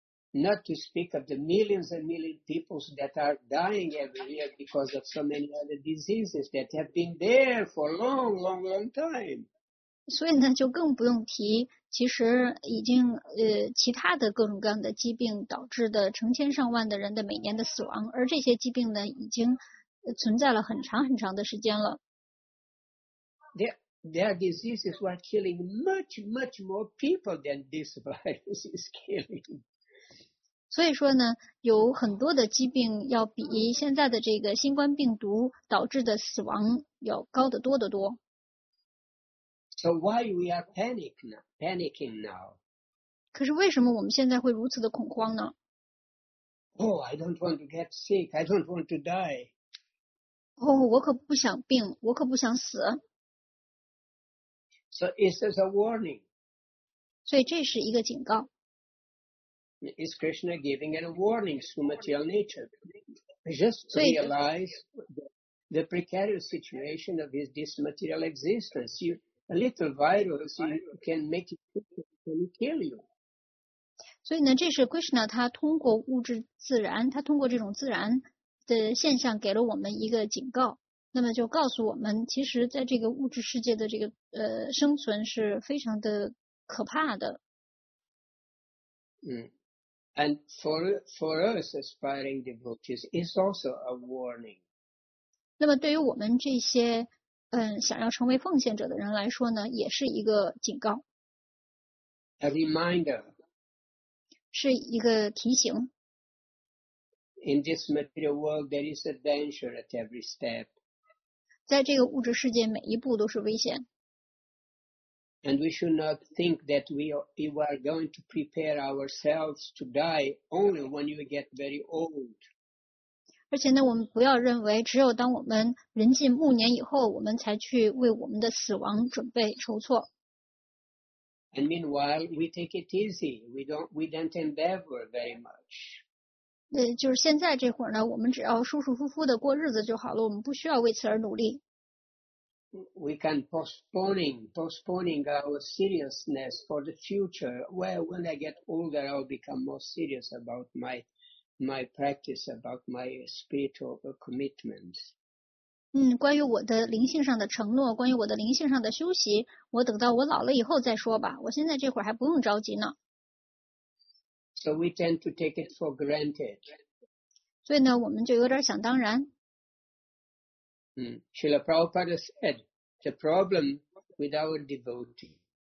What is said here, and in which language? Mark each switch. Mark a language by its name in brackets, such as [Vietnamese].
[English] Not to speak of the millions and millions of people that are dying every year because of so many other diseases that have been there for a long, long, long time. [Chinese] 所以呢，就更不用提，其实已经其他的各种各样的疾病导致的成千上万的人的每年的死亡，而这些疾病呢，已经存在了很长很长的时间了。 [English] There, Their diseases were killing much, much more people than this virus is killing. [Chinese] 所以说呢，有很多的疾病要比现在的这个新冠病毒导致的死亡要高得多得多。 [English] So why we are panicking now? [Chinese] 可是为什么我们现在会如此的恐慌呢？ [English] Oh, I don't want to get sick. I don't want to die. [Chinese] 哦，我可不想病，我可不想死。 [English] So it's just a warning. [Chinese] 所以这是一个警告。 [English] Is Krishna giving a warning to material nature? Just to realize the precarious situation of his this material existence. You, a little virus can make you kill you. [Chinese] 所以呢，这是 Krishna 他通过物质自然，他通过这种自然的现象给了我们一个警告。那么就告诉我们，其实在这个物质世界的这个生存是非常的可怕的。嗯。 [English] And for us aspiring devotees, it's also a warning. [Chinese] 那么对于我们这些想要成为奉献者的人来说呢，也是一个警告。 [English] A reminder. [Chinese] 是一个提醒。 [English] In this material world, there is a danger at every step. [Chinese] 在这个物质世界每一步都是危险。 [English] And we should not think that we are going to prepare ourselves to die only when you get very old. [Chinese] 而且呢，我们不要认为只有当我们人近暮年以后，我们才去为我们的死亡准备筹措。 [English] And meanwhile, we take it easy. We don't endeavor very much. [Chinese] 就是现在这会儿呢，我们只要舒舒服服的过日子就好了，我们不需要为此而努力。 [English] We can postponing our seriousness for the future. Well, when I get older, I'll become more serious about my practice, about my spiritual commitments. [Chinese] 关于我的灵性上的承诺，关于我的灵性上的修习，我等到我老了以后再说吧。我现在这会儿还不用着急呢。 [English] So we tend to take it for granted. [Chinese] 所以呢，我们就有点想当然。 [English] Srila Prabhupada said, the problem with our devotee.